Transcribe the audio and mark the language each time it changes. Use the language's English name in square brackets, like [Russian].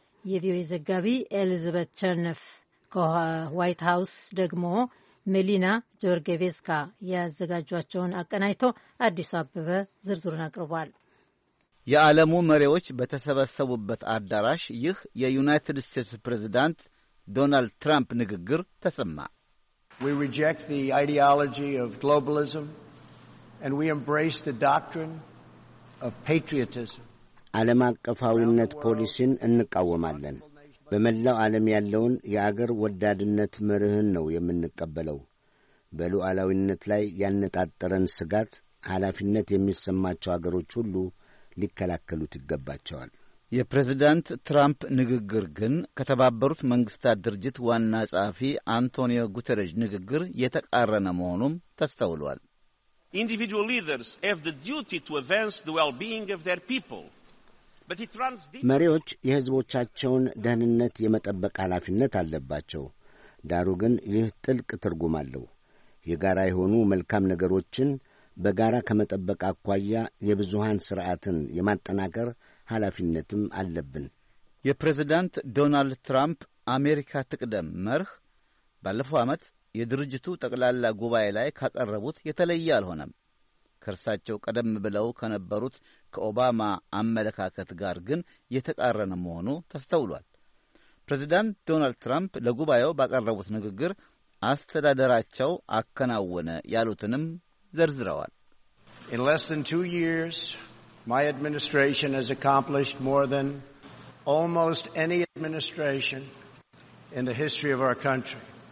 [Amharic] የቪኦኤ ዘጋቢ ኤልዝቤት ቸርነፍ ከዋይት ሃውስ ደግሞ ሜሊና ጆርጌቬስካ ያዘጋጇቸውን አቀናጅቶ አዲሱ አበበ ዝርዝሩን አቅርቧል። የዓለሙ መሪዎች በተሰበሰቡበት አዳራሽ ይህ የዩናይትድ ስቴትስ ፕሬዚዳንት ዶናልድ ትራምፕ ንግግር ተሰማ። [English] We reject the ideology of globalism and we embrace the doctrine of patriotism. [Amharic] ዓለም አቀፋዊነት ፖሊሲን እንቃወማለን። በመላው ዓለም ያለውን የአገር ወዳድነት መርህን ነው የምንቀበለው። በሉዓላዊነት ላይ ያነጣጠረን ስጋት ኃላፊነት የሚሰማቸው አገሮች ሁሉ ሊከላከሉት ይገባቸዋል። የፕሬዝዳንት ትራምፕ ንግግር ግን ከተባበሩት መንግስታት ድርጅት ዋና ጸሐፊ አንቶኒዮ ጉተረጅ ንግግር የተቃረነ መሆኑም ተስተውሏል። [English] Individual leaders have the duty to advance the well-being of their people. [Amharic] መሪዎች የህዝቦቻቸውን ደህንነት የመጠበቅ ኃላፊነት አለባቸው። ዳሩ ግን ይህ ጥልቅ ትርጉም አለው። የጋራ የሆኑ መልካም ነገሮችን በጋራ ከመጠበቅ አኳያ የብዙሃን ስርዓትን የማጠናከር ኃላፊነትም አለብን። የፕሬዝዳንት ዶናልድ ትራምፕ አሜሪካ ትቅደም መርህ ባለፈው ዓመት የድርጅቱ ጠቅላላ ጉባኤ ላይ ካቀረቡት የተለየ አልሆነም። ከርሳቸው ቀደም ብለው ከነበሩት ከኦባማ አመለካከት ጋር ግን የተቃረነ መሆኑ ተስተውሏል። ፕሬዝዳንት ዶናልድ ትራምፕ ለጉባኤው ባቀረቡት ንግግር አስተዳደራቸው አከናወነ ያሉትንም ዘርዝረዋል። [English] In less than 2 years my administration has accomplished more than almost any administration in the history of our country.